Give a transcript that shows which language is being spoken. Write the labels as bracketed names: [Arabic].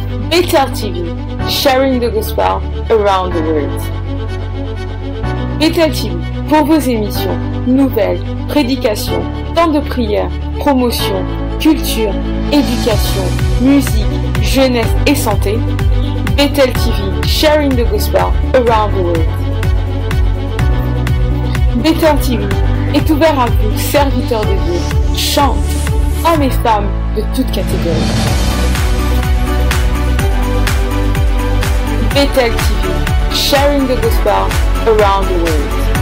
[English] Bethel TV, sharing the gospel around the world. [French] Bethel TV, pour vos émissions, nouvelles, prédications, temps de prière, promotion, culture, éducation, musique, jeunesse et santé. [English] Bethel TV, sharing the gospel around the world. [French] Bethel TV est ouvert à vous, serviteurs de Dieu, chants, hommes et femmes de toutes catégories. [English] Bethel TV, sharing the gospel around the world.